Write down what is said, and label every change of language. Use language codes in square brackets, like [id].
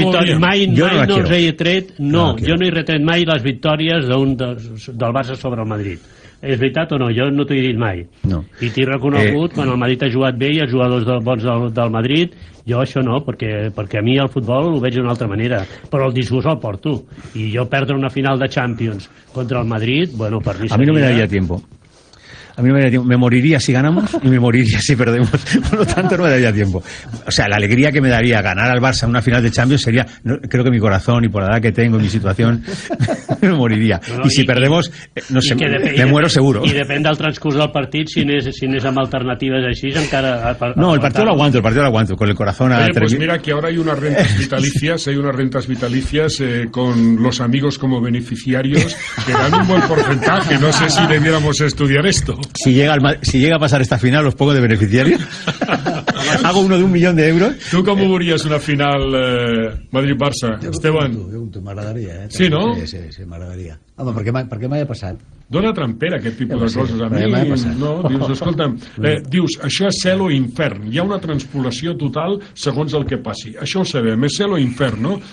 [ca] victòria, mai no els he tret, jo no he retret mai les victòries del Barça sobre el Madrid. És veritat o no? Jo no t'ho he dit mai. No. I t'he reconegut, quan el Madrid ha jugat bé i els jugadors bons del Madrid, jo això no, perquè a mi el futbol ho veig d'una altra manera, però el disgust el porto. I jo perdre una final de Champions contra el Madrid, bueno, per mi [es] seria. A mi no me daria tiempo. A mí no me daría tiempo. Me moriría si ganamos y me moriría si perdemos. Por lo tanto, no me daría tiempo. O sea, la alegría que me daría ganar al Barça en una final de Champions sería, no, creo que mi corazón y por la edad que tengo y mi situación, me moriría. No, y si perdemos, no sé, me muero seguro. Y depende del transcurso del partido, si no es amb alternativas así, encara. El partido lo aguanto, con el corazón a. Oye, pues mira que ahora hay unas rentas vitalicias con los amigos como beneficiarios que dan un buen porcentaje. No sé si debiéramos estudiar esto. Si llega a pasar esta final, los pongo de beneficiario. Hago uno de 1 millón de euros. ¿Tú cómo verías una final Madrid-Barça, Esteban? [ca] Yo m'agradaria, [es] Sí, ¿no? [ca] Sí, m'agradaria. Home, perquè m'haia passat. Dóna trampera aquest tipus de coses a mi. No? Dius, escolta'm, dius, això és cel o infern. Hi ha una transpolació total segons el que passi. Això ho sabem, és cel o infern, no?